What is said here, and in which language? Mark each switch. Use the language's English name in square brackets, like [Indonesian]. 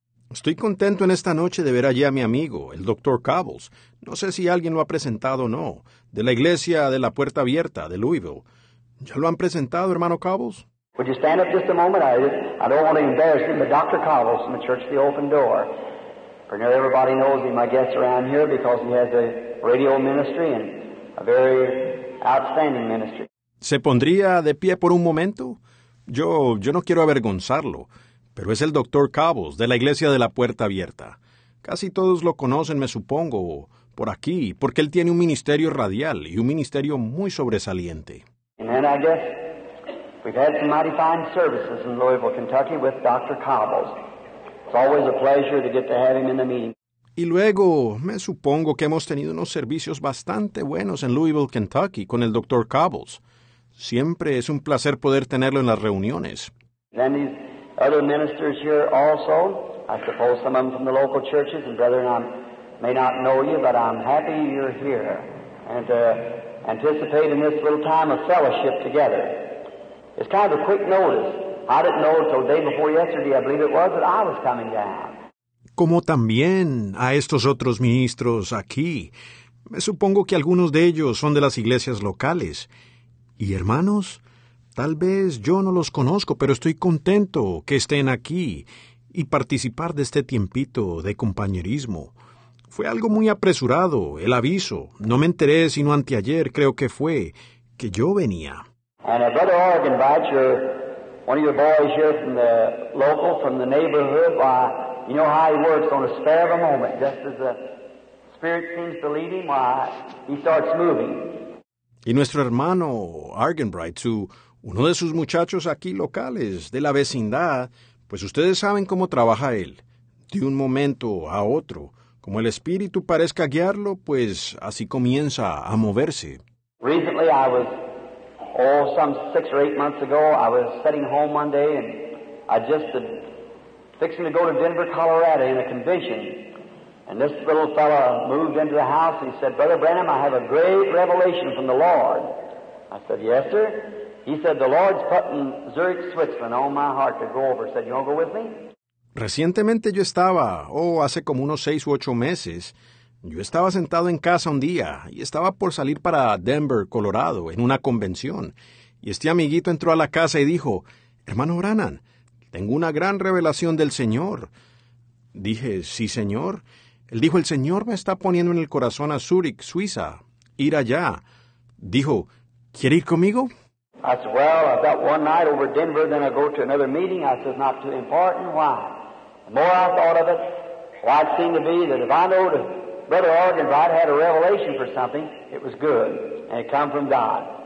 [Spanish] Estoy contento en esta noche de ver allí a mi amigo, el Dr. Cobbles. No sé si alguien lo ha presentado o no, de la Iglesia de la Puerta Abierta, de Louisville. ¿Ya lo han presentado, hermano Cobbles? [English] Would you stand up just a moment? I don't want to embarrass him, but Dr. Cobbles from the Church of the Open Door. For near everybody knows him, I guess, around here, because he has a radio ministry and a very outstanding ministry. [Spanish] ¿Se pondría de pie por un momento? Yo no quiero avergonzarlo. Pero es el Dr. Cobbles, de la Iglesia de la Puerta Abierta. Casi todos lo conocen, me supongo, por aquí, porque él tiene un ministerio radial y un ministerio muy sobresaliente. [English] And then I guess we've had some mighty fine services in Louisville, Kentucky, with Dr. Cobbles. It's always a pleasure to get to have him in the meeting. [Spanish] Y luego, me supongo que hemos tenido unos servicios bastante buenos en Louisville, Kentucky, con el Dr. Cobbles. Siempre es un placer poder tenerlo en las reuniones. [English] Then he's other ministers here also, I suppose some of them from the local churches, and brethren, I may not know you, but I'm happy you're here, and to anticipate in this little time of fellowship together. It's kind of a quick notice. I didn't know until the day before yesterday, I believe it was, that I was coming down. [Spanish] Como también a estos otros ministros aquí, me supongo que algunos de ellos son de las iglesias locales, y hermanos, tal vez yo no los conozco, pero estoy contento que estén aquí y participar de este tiempito de compañerismo. Fue algo muy apresurado, el aviso. No me enteré sino anteayer, creo que fue, que yo venía. [English] And Brother Argenbright, you're one of your boys here from the local, from the neighborhood, why, you know how he works on a spare of a moment, just as the Spirit seems to lead him, why, he starts moving. [Spanish] Y nuestro hermano Argenbright, too, uno de sus muchachos aquí locales, de la vecindad, pues ustedes saben cómo trabaja él, de un momento a otro, como el Espíritu parezca guiarlo, pues así comienza a moverse. [English] Recently I was, oh, some 6 or 8 months ago, I was sitting home one day and I just fixing to go to Denver, Colorado in a convention. And this little fellow moved into the house and he said, Brother Branham, I have a great revelation from the Lord. I said, yes, sir. He said, the Lord's putting Zurich, Switzerland on my heart to go over. I said, you want to go with me? [Spanish] Recientemente yo estaba, hace como unos 6 u 8 meses, yo estaba sentado en casa un día y estaba por salir para Denver, Colorado, en una convención. Y este amiguito entró a la casa y dijo, hermano Branham, tengo una gran revelación del Señor. Dije, sí, señor. Él dijo, el Señor me está poniendo en el corazón a Zurich, Suiza, ir allá. Dijo, ¿quiere ir conmigo? [English] I said, well, I've got one night over Denver, then I go to another meeting. I said, not too important. Why? The more I thought of it, why it seemed to be that if I know that Brother Argenbright had a revelation for something, it was good, and it come from God.